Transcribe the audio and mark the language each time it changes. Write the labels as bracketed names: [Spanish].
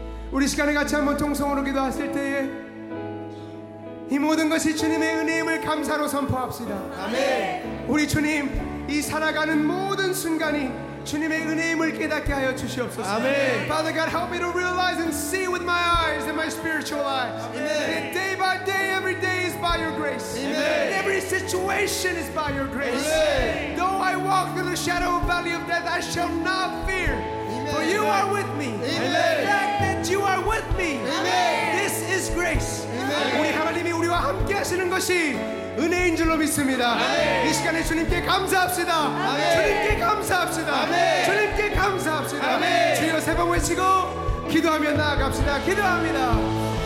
[Korean] 우리 시간에 같이 한번 통성으로 기도하실 때에 이 모든 것이 주님의 은혜임을 감사로 선포합시다. 아멘. 우리 주님 이 살아가는 모든 순간이 주님의 은혜임을 깨닫게 하여 주시옵소서. 아멘. [English] Father God, help me to realize and see with my eyes and my spiritual eyes. [Korean] 아멘. [English] Day by day, every day is by your grace. [Korean] 아멘. [English] Every situation is by your grace. [Korean] 아멘. [English] Though I walk through the shadow of valley of death, I shall not fear. [Korean] 아멘. [English] For you are with me. [Korean] 아멘. [English] The fact that you are with me. [Korean] 아멘. [English] This is grace. [Korean] 아멘. 우리 하나님이 우리와 함께 하시는 것이 은혜인 줄로 믿습니다. 아멘. 이 시간에 주님께 감사합시다. 아멘. 주님께 감사합시다. 아멘. 주님께 감사합시다. 아멘. 주여 세 번 외치고 기도하며 나아갑시다. 기도합니다. 아멘.